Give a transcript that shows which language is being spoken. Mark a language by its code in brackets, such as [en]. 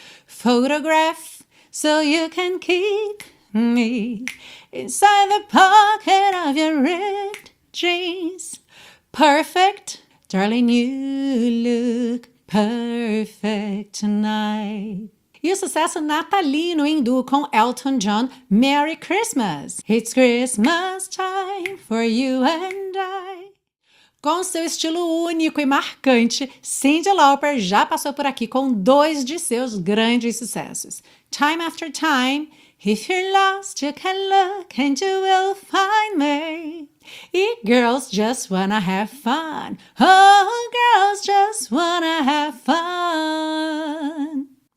[en] Photograph, So You Can Keep Me Inside the Pocket of Your Ripped Jeans, Perfect, Darling, You Look Perfect Tonight. [pt] E o sucesso natalino em duo com Elton John, Merry Christmas. [en] It's Christmas time for you and I. [pt] Com seu estilo único e marcante, Cyndi Lauper já passou por aqui com 2 de seus grandes sucessos. [en] Time After Time, If You're Lost, You Can Look and You Will Find Me. E Girls Just Wanna Have Fun. Oh, Girls Just Wanna Have Fun.